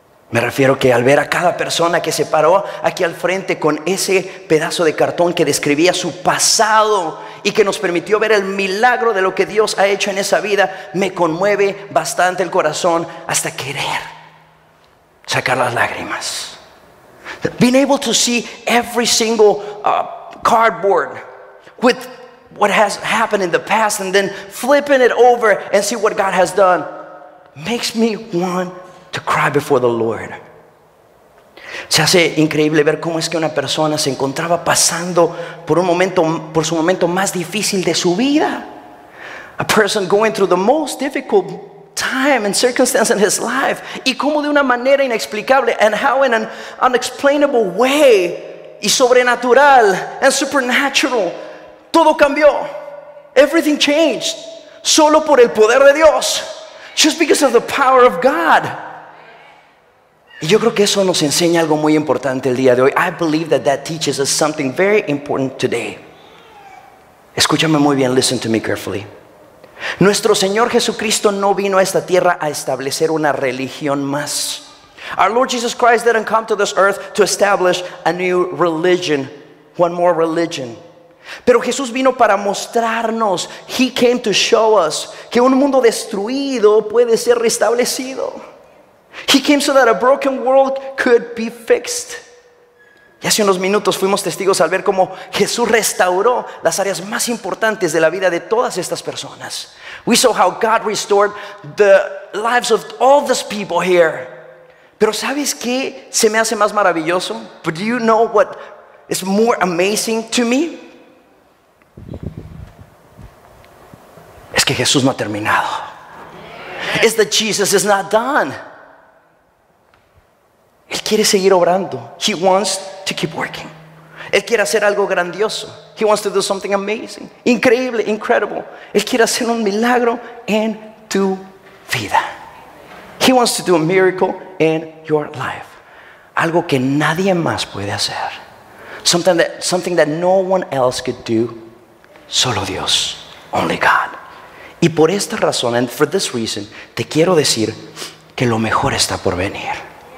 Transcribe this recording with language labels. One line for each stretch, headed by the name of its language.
Spanish: Me refiero que al ver a cada persona que se paró aquí al frente con ese pedazo de cartón que describía su pasado y que nos permitió ver el milagro de lo que Dios ha hecho en esa vida, me conmueve bastante el corazón hasta querer sacar las lágrimas.
English: Being able to see every single cardboard with what has happened in the past and then flipping it over and see what God has done makes me want to cry before the Lord.
Spanish: Se hace increíble ver cómo es que una persona se encontraba pasando por un momento, por su momento más difícil de su vida.
English: A person going through the most difficult time and circumstance in his life.
Spanish: Y cómo de una manera inexplicable,
English: and how in an unexplainable way,
Spanish: y sobrenatural
English: and supernatural,
Spanish: todo cambió.
English: Everything changed.
Spanish: Solo por el poder de Dios.
English: Just because of the power of God.
Spanish: Y yo creo que eso nos enseña algo muy importante el día de hoy.
English: I believe that that teaches us something very important today.
Spanish: Escúchame muy bien.
English: Listen to me carefully.
Spanish: Nuestro Señor Jesucristo no vino a esta tierra a establecer una religión más.
English: Our Lord Jesus Christ didn't come to this earth to establish a new religion, one more religion.
Spanish: Pero Jesús vino para mostrarnos,
English: he came to show us,
Spanish: que un mundo destruido puede ser restablecido.
English: He came so that a broken world could be fixed.
Spanish: Y hace unos minutos fuimos testigos al ver cómo Jesús restauró las áreas más importantes de la vida de todas estas personas.
English: We saw how God restored the lives of all these people here.
Spanish: Pero ¿sabes qué se me hace más maravilloso?
English: But do you know what is more amazing to me?
Spanish: Es que Jesús no ha terminado.
English: Is that Jesus is not done.
Spanish: Él quiere seguir obrando.
English: He wants to keep working.
Spanish: Él quiere hacer algo grandioso.
English: He wants to do something amazing. Increíble, incredible.
Spanish: Él quiere hacer un milagro en tu vida.
English: He wants to do a miracle in your life.
Spanish: Algo que nadie más puede hacer.
English: Something that no one else could do.
Spanish: Solo Dios.
English: Only God.
Spanish: Y por esta razón,
English: and for this reason,
Spanish: te quiero decir que lo mejor está por venir.